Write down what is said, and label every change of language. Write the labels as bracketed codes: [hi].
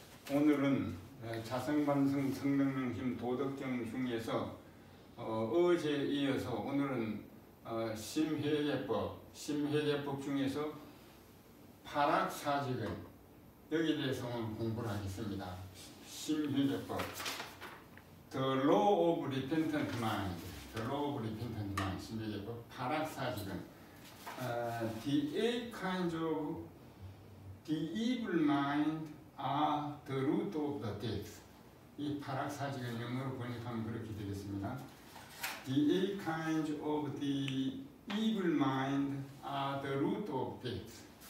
[ko] 오늘은 자성반성 성명심 도덕경 중에서 어제에 이어서 오늘은 심회예법 중에서 파락사직을 여기에 대해서 오늘 공부를 하겠습니다. [en] 심회예법 The Law of Repentant Mind, The Law of Repentant Mind, 심회예법 파락사직은 The eight kinds of the evil mind are the root of the death. [ko] 이 파락사직을 영어로 번역하면 그렇게 되겠습니다. [en] The eight kinds of the evil mind are the root of death.